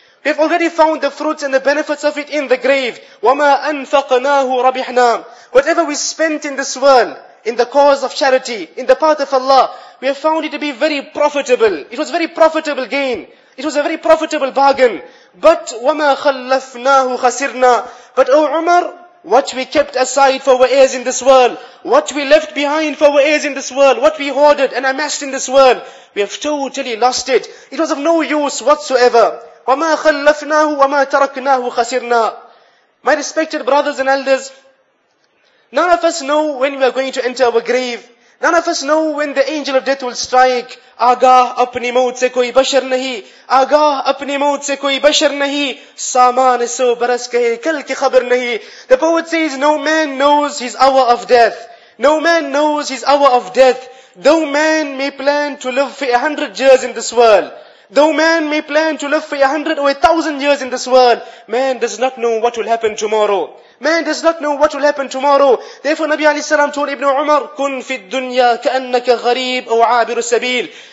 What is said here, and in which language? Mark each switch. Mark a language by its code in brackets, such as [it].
[en] We have already found the fruits and the benefits of it in the grave. [ar] وَمَا أَنفَقْنَاهُ رَبِحْنَاهُ. [en] Whatever we spent in this world, in the cause of charity, in the path of Allah, we have found it to be very profitable. It was very profitable gain. It was a very profitable bargain. [ar] But وَمَا خَلَّفْنَاهُ خَسِرْنَا. [en] But O Umar, what we kept aside for our heirs in this world, what we left behind for our heirs in this world, what we hoarded and amassed in this world, we have totally lost it. It was of no use whatsoever. [ar] وَمَا خَلَّفْنَاهُ وَمَا تَرَكْنَاهُ خَسِرْنَا. [en] My respected brothers and elders, none of us know when we are going to enter our grave. None of us know when the angel of death will strike. [ur] آگاہ اپنی موت سے کوئی بشر نہیں. آگاہ اپنی موت سے کوئی بشر نہیں. سامان سو برس کہے کل کی خبر نہیں. [en] The poet says, no man knows his hour of death. No man knows his hour of death. Though man may plan to live for 100 years in this world, Though man may plan to live for 100 or 1,000 years in this world, man does not know what will happen tomorrow. Man does not know what will happen tomorrow. Therefore, Nabi alayhi salam told Ibn Umar, [ar] "Kun fi dunya ka'annaka gharib aw aabir as-sabil."